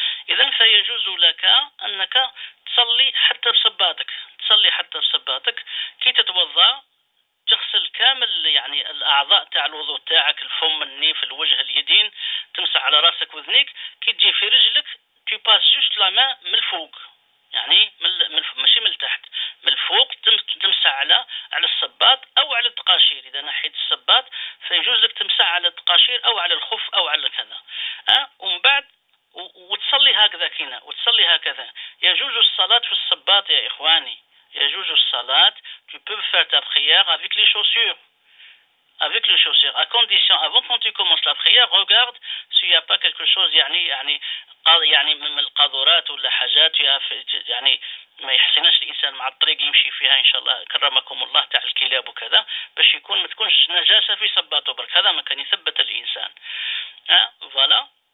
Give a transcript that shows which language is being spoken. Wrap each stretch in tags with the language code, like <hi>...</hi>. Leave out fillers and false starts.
<ar>إذا فيجوز لك أنك تصلي حتى بصباطك كي تتوضى تغسل كامل يعني الأعضاء تاع الوضوء تاعك، الفم النيف الوجه اليدين، تمسح على راسك وذنيك، كي تجي في رجلك</ar> <fr>تي باس جوست لا</fr> <ar>ما من الفوق يعني من ماشي من التحت، من الفوق تمسح على الصباط او على التقاشير. اذا نحيت الصباط فيجوز لك تمسح على التقاشير او على الخف او على كذا ومن بعد وتصلي هكذا. يجوز الصلاة في الصباط يا اخواني، يجوز الصلاة.</ar> <fr>tu peux faire ta prière avec les chaussures. Avec les chaussures. À condition, avant quand tu commences la prière, regarde s'il n'y a pas quelque chose,</fr> <ar>يعني</ar> <fr>même les</fr> <ar>قذورات</ar> <fr>ou les</fr> <ar>حاجات, يعني ما يحسنش الإنسان مع الطريق يمشي فيها إن شاء الله كرمكم الله تاع الكلاب وكذا، باش يكون ما تكونش نجاسة في صباطه برك، هذا ما كان يثبت الإنسان. فوالا.</ar>